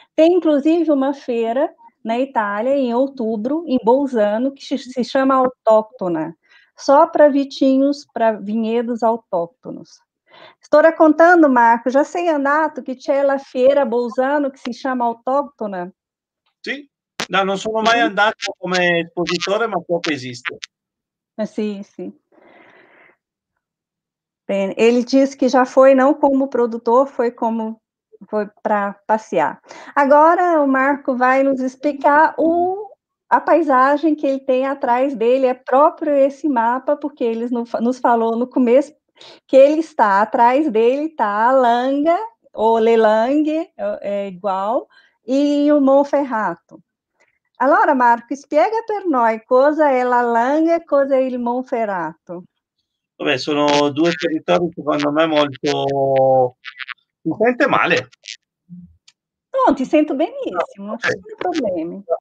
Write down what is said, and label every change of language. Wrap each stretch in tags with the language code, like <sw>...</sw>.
<pt>Tem inclusive uma feira na Itália, em outubro, em Bolzano, que se chama Autóctona, só para vitinhos, para vinhedos autóctonos. Estou contando, Marco, já sei, Andato, que</pt> <it>c'è la</it> <pt>feira Bolzano que se chama Autóctona?</pt> <it>Sì, no, non sono mai andato come espositore, ma so che esiste. Sì.</it> <pt>Bem, ele disse que já foi não como produtor, foi como foi para passear. Agora o Marco vai nos explicar a paisagem que ele tem atrás dele, é próprio esse mapa, porque ele nos falou no começo que ele está atrás dele, está a Langa, ou Lelangue, é igual, e o Monferrato.</pt> <it>Allora, Marco, spiega per noi cosa è la Langa e cosa è il Monferrato. Vabbè, sono due territori secondo me molto. Si sente male. Non, ti sento benissimo, non ci sono problemi.</it>